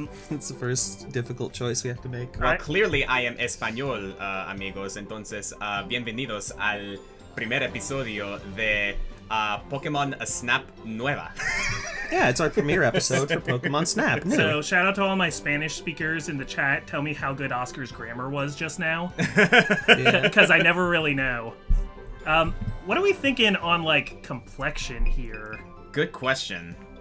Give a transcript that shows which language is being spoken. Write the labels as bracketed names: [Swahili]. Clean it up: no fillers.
[English] It's the first difficult choice we have to make. Right? Well, clearly I am [Spanish] Espanol, amigos. Entonces, bienvenidos al primer episodio de Pokemon Snap Nueva. [English] Yeah, it's our premiere episode for Pokemon Snap. So, shout out to all my Spanish speakers in the chat. Tell me how good Oscar's grammar was just now. Because yeah. I never really know. What are we thinking on, like, complexion here? Good question.